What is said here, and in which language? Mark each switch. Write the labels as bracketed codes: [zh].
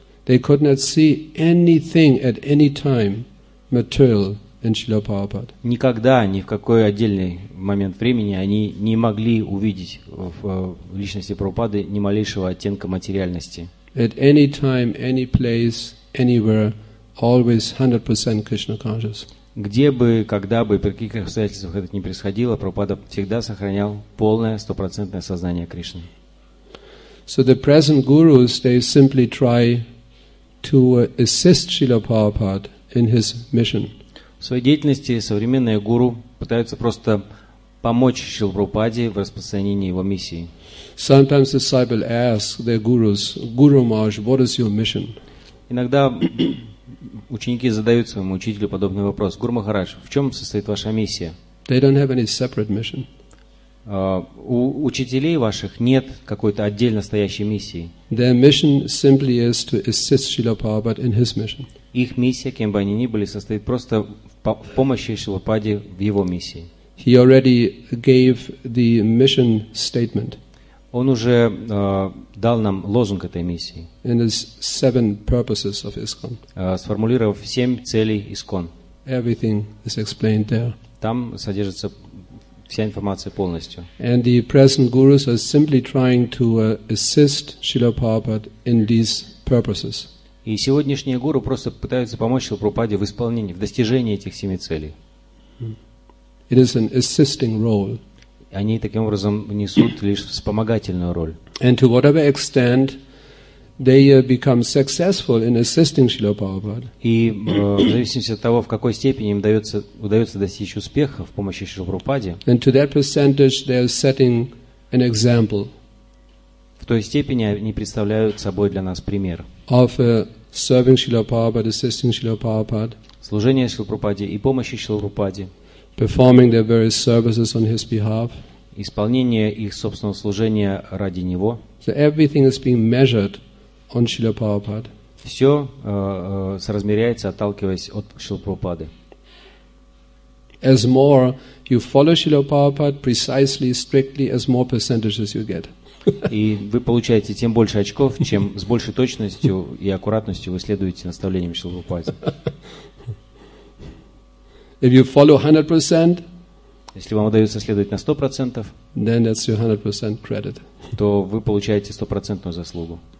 [en] They could not see anything at any time material in Srila Prabhupada. [ru] Никогда, ни в какой отдельный момент времени они не могли увидеть в личности Прабхупады ни малейшего оттенка материальности. [en] At any time, any place, anywhere, always 100% Krishna conscious. [ru] Где бы, когда бы, при каких обстоятельствах это ни происходило, Прабхупада всегда сохранял полное, стопроцентное сознание Кришны. [en] So the present gurus, they simply try to assist Srila Prabhupada in his mission. [ru] В своей деятельности современные гуру пытаются просто помочь Шриле Прабхупаде в распространении его миссии. [en] Sometimes disciples ask their gurus, Guru Maharaj, what is your mission? [ru] Иногда ученики задают своему учителю подобный вопрос. Гуру Махарадж, в чем состоит ваша миссия? [en] They don't have any separate mission. [ru] У учителей ваших нет какой-то отдельно стоящей миссии. [en] Their mission simply is to assist Srila Prabhupada in his mission. [ru] Их миссия, кем бы они ни были, состоит просто в помощи Шрила Прабхупаде в его миссии. [en] He already gave the mission statement. [ru] Он уже дал нам лозунг этой миссии, [en] and his seven purposes of ISKCON. [ru] Сформулировав семь целей ISKCON. [en] Everything is explained there. [ru] Там содержится вся информация полностью. [en] And the present gurus are simply trying to assist Srila Prabhupada in these purposes. [ru] И сегодняшние гуру просто пытаются помочь Шрила Прабхупаде в исполнении, в достижении этих семи целей. [en] It is an assisting role. [ru] Они таким образом несут лишь вспомогательную роль. [en] And to whatever extent they become successful in assisting Srila Prabhupada. [ru] И в зависимости от того, в какой степени им удается достичь успеха в помощи Шрила Прабхупаде. [en] And to that percentage they are setting an example. [ru] В той степени они представляют собой для нас пример. [en] Of serving Srila Prabhupada, assisting Srila Prabhupada. [ru] Служение Шрила Прабхупаде и помощи Шрила Прабхупаде. [en] Performing their various services on his behalf. [ru] Исполнение их собственного служения ради него. [en] So everything is being measured on Srila Prabhupada. [ru] Все соразмеряется, отталкиваясь от Шрила Прабхупады. [en] As more you follow Srila Prabhupada precisely, strictly, as more percentages you get. [ru] И вы получаете тем больше очков, чем с большей точностью и аккуратностью вы следуете наставлениям Шрила Прабхупады. [en] If you follow 100%, [ru] если вам удается следовать на 100%, [en] then that's your 100% credit. [ru] То вы получаете 100% заслугу.